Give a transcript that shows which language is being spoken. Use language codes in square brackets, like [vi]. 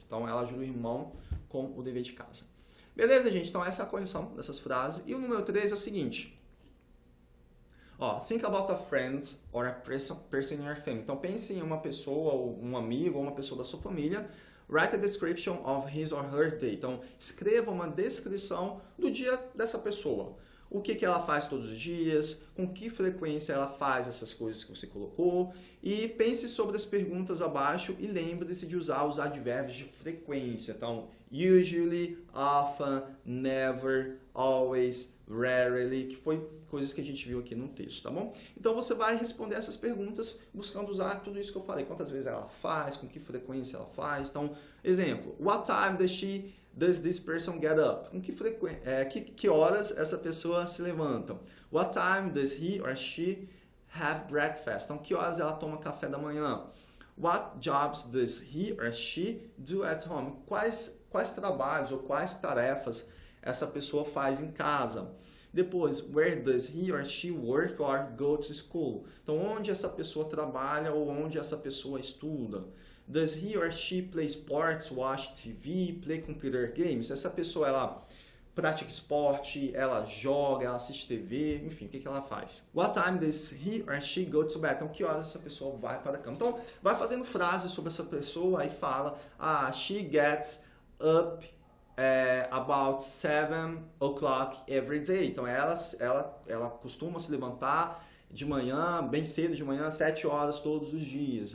[pt] Então, ela ajuda o irmão com o dever de casa. Beleza, gente? Então, essa é a correção dessas frases. E o número 3 é o seguinte. Ó, [en] think about a friend or a person in your family. [pt] Então, pense em uma pessoa, um amigo ou uma pessoa da sua família. [en] Write a description of his or her day. [pt] Então, escreva uma descrição do dia dessa pessoa. O que, que ela faz todos os dias, com que frequência ela faz essas coisas que você colocou. E pense sobre as perguntas abaixo e lembre-se de usar os advérbios de frequência. Então, usually, often, never, always, rarely, que foi coisas que a gente viu aqui no texto, tá bom? Então, você vai responder essas perguntas buscando usar tudo isso que eu falei. Quantas vezes ela faz, com que frequência ela faz. Então, exemplo, [en] what time does she... Does this person get up? [pt] Com que frequência? Que horas essa pessoa se levanta? [en] What time does he or she have breakfast? [pt] Então, que horas ela toma café da manhã? [en] What jobs does he or she do at home? [pt] Quais trabalhos ou quais tarefas essa pessoa faz em casa? [en] Depois, where does he or she work or go to school? [pt] Então, onde essa pessoa trabalha ou onde essa pessoa estuda? [en] Does he or she play sports, watch TV, play computer games? [pt] Essa pessoa, ela pratica esporte, ela joga, ela assiste TV, enfim, o que, que ela faz? [en] What time does he or she go to bed? [pt] Então, que horas essa pessoa vai para a cama? Então, vai fazendo frases sobre essa pessoa e fala, ah, [en] she gets up about 7 o'clock every day. [pt] Então, ela costuma se levantar de manhã, bem cedo de manhã, 7 horas todos os dias.